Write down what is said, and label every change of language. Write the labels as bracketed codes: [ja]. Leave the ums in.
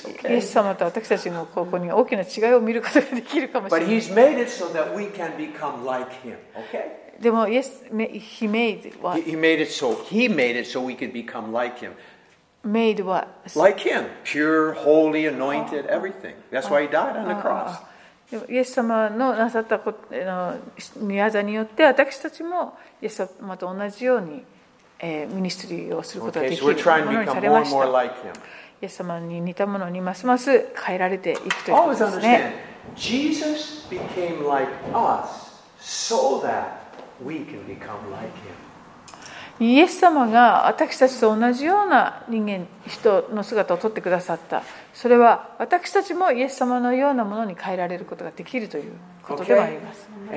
[ja] イエス様と私たちのここに大きな違いを見ることができるか [en] もしれない。So like okay? [ja] でも、イエス、 [en] He made [ja] は [en] He made it so, He made it so we could become like Him. Made what? Like Him. Pure, holy, anointed, everything. That's why He died on the cross. [ja] イエス様のなさったこの宮座によって私たちもイエス様と同じように、えミニストリーをすることができるようにされましたイエス様に似たものにますます変えられていくということです [en] Jesus became like us so that we can become like him. [ja] イエス様が私たちと同じような人間、人の姿をとってくださった。それは私たちもイエス様のようなものに変えられることができるということではあります。